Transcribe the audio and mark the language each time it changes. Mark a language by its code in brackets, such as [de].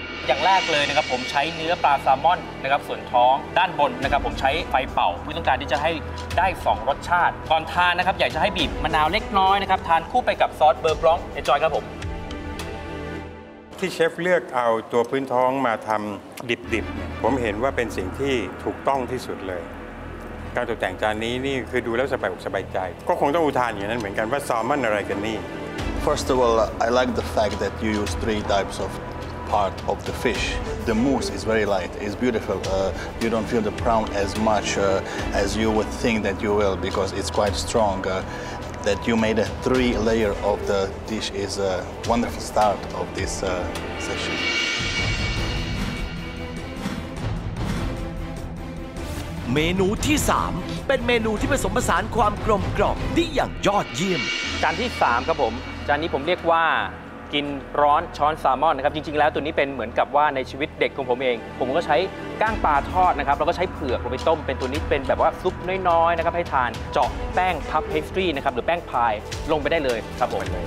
[th] อย่างแรกเลยนะครับผมใช้เนื้อปลาแซลมอนนะครับส่วนท้องด้านบนนะครับผมใช้ไฟเป่าเพื่อต้องการที่จะให้ได้2รสชาติก่อนทานนะครับอยากจะให้บีบมะนาวเล็กน้อยนะครับทานคู่ไปกับซอสเบอร์บล็องเอนจอยครับผม ที่เชฟเลือกเอาตัวพื้นท้องมาทำดิบๆเนี่ยผมเห็นว่าเป็นสิ่งที่ถูกต้องที่สุดเลยการตกแต่งจานนี้นี่คือดูแล้วสบายอกสบายใจก็คงต้องอุทานอย่างนั้นเหมือนกันว่าแซลมอนอะไรกันนี่ [en] First of all I like the fact that you use 3 types ofpart of the fish. The mousse is very light. It's beautiful. You don't feel the prawn as much as you would think that you will because it's quite strong. That you made a three layer of the dish is a wonderful start of this session. [th] เมนูที่3เป็นเมนูที่ผสมผสานความกลมกล่อมได้อย่างยอดเยี่ยม จานที่3ครับผม จานนี้ผมเรียกว่ากินร้อนช้อนแซลมอนนะครับจริงๆแล้วตัวนี้เป็นเหมือนกับว่าในชีวิตเด็กของผมเองผมก็ใช้ก้างปลาทอดนะครับแล้วก็ใช้เผือกลงไปต้มเป็นตัวนี้เป็นแบบว่าซุปน้อยๆนะครับให้ทานเจาะแป้งพับเพสตรีนะครับหรือแป้งพายลงไปได้เลยครับผม